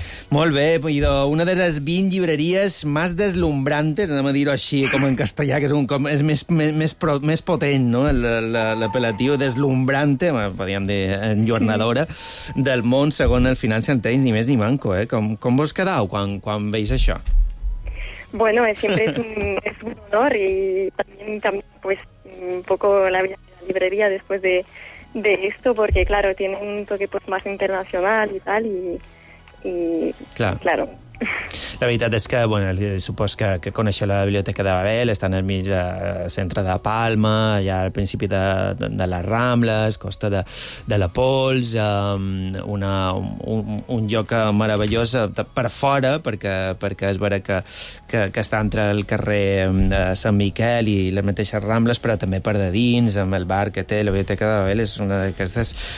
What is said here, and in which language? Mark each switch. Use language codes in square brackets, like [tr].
[ca] Molt bé, idò, una de les 20 llibreries més deslumbrantes, anem a dir-ho així, com en castellà, que és un cop més potent, no?, l'apel·latiu deslumbrante, podríem dir enlluernadora, del món, segons el Financial Times, ni més ni manco, eh? Com vos quedau quan veis això? [es] Bueno, siempre es un honor y también pues, un poco la vida de la librería después de esto, porque, claro, tiene un toque pues, más internacional y tal, y... Y, claro, claro, [ca] La veritat és que, bueno, supos que coneixer la biblioteca de Babel, està en el mig del centre de Palma, allà al principi de les Rambles, costa de la Pols, un lloc meravellós per fora, perquè és vera que està entre el carrer de Sant Miquel i les mateixes Rambles, però també per de dins, amb el bar que té la biblioteca de Babel, és una d'aquestes...